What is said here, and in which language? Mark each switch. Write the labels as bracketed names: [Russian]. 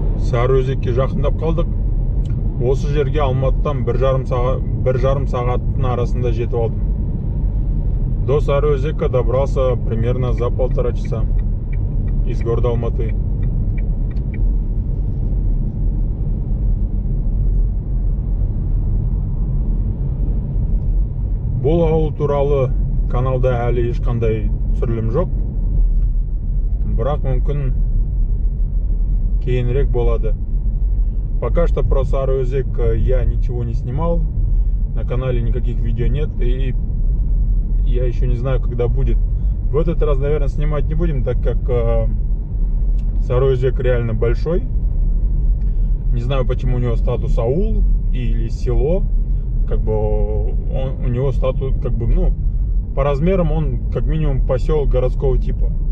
[Kazakh] Сарыөзекке жақындап қалдық. Осы жерге Алматыдан бір жарым сағаттың арасында жетіп алдым. [Russian] До Сарыөзека добрался примерно за полтора часа из города Алматы. [Kazakh] Бұл ауыл туралы каналда әлі ешқандай түсірілім жоқ. Бірақ мүмкін кейінірек болады. [Russian] Пока что про Сарыөзек я ничего не снимал. На канале никаких видео нет. И я еще не знаю, когда будет. В этот раз, наверное, снимать не будем, так как Сарыөзек реально большой. Не знаю, почему у него статус аул или село. Как бы он, у него статус, как бы, ну, по размерам он как минимум поселок городского типа.